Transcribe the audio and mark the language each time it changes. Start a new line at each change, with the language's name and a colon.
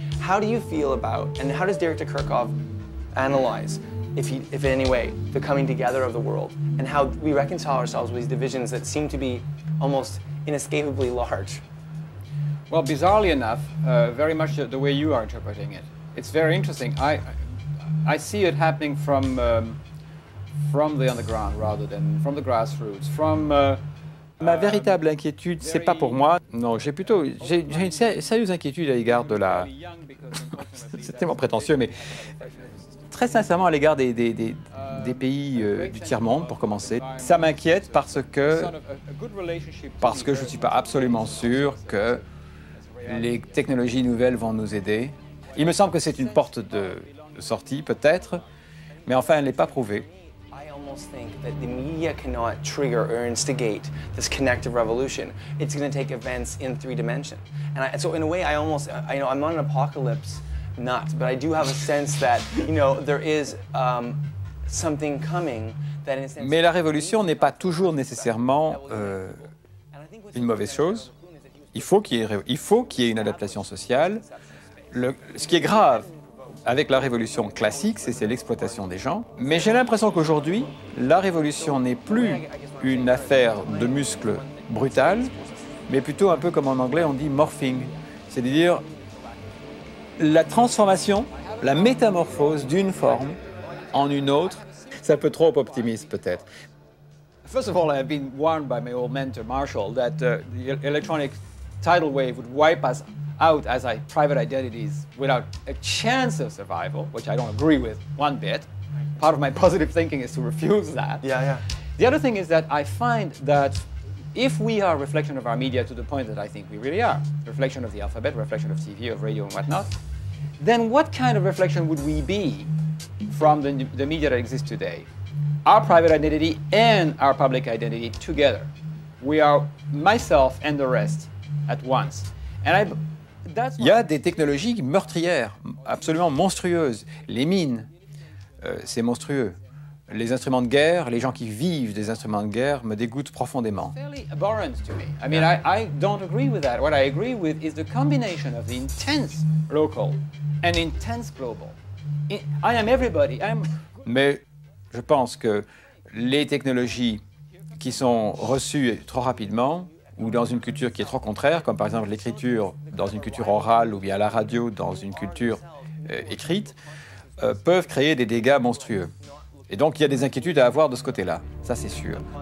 English: How do you feel about, and how does Derek de Kerckhove analyze, if in any way, the coming together of the world and how we reconcile ourselves with these divisions that seem to be almost inescapably large? Well, bizarrely enough, very much the way you are interpreting it. It's very interesting. I see it happening from the underground rather than from the grassroots.
French: Ma véritable inquiétude, c'est pas pour moi. Non, j'ai une sérieuse inquiétude à l'égard de la... c'est tellement prétentieux, mais... Très sincèrement, à l'égard des pays du tiers-monde, pour commencer, ça m'inquiète parce que je ne suis pas absolument sûr que les technologies nouvelles vont nous aider. Il me semble que c'est une porte de sortie, peut-être, mais enfin, elle n'est pas prouvée.
English: Think that the media cannot trigger or instigate this connective revolution. It's going to take events in three dimensions. And so in a way, I'm not an apocalypse nut, but I do have a sense that, you know, there is something coming that in a sense...
French: Mais la révolution n'est pas toujours nécessairement une mauvaise chose. Il faut qu'il y ait une adaptation sociale. Ce qui est grave avec la révolution classique, c'est l'exploitation des gens. Mais j'ai l'impression qu'aujourd'hui, la révolution n'est plus une affaire de muscles brutal, mais plutôt un peu comme en anglais on dit morphing. C'est-à-dire la transformation, la métamorphose d'une forme en une autre. C'est un peu trop optimiste peut-être.
English: First of all, I've been warned by my old mentor Marshall that the electronic tidal wave would wipe us out as private identities without a chance of survival, which I don't agree with one bit. Part of my positive thinking is to refuse that. Yeah, yeah. The other thing is that I find that if we are a reflection of our media to the point that I think we really are, reflection of the alphabet, reflection of TV, of radio and whatnot, then what kind of reflection would we be from the media that exists today? Our private identity and our public identity together. We are myself and the rest at once.
French: Il y a des technologies meurtrières, absolument monstrueuses. Les mines, c'est monstrueux. Les instruments de guerre, les gens qui vivent des instruments de guerre me dégoûtent profondément.
English: Fairly abhorrent to me. I mean, I don't agree with that. What I agree with is the combination of the intense local and intense global. I am everybody.
French: Mais je pense que les technologies qui sont reçues trop rapidement ou dans une culture qui est trop contraire, comme par exemple l'écriture dans une culture orale ou bien la radio dans une culture écrite, peuvent créer des dégâts monstrueux. Et donc, il y a des inquiétudes à avoir de ce côté-là, ça c'est sûr.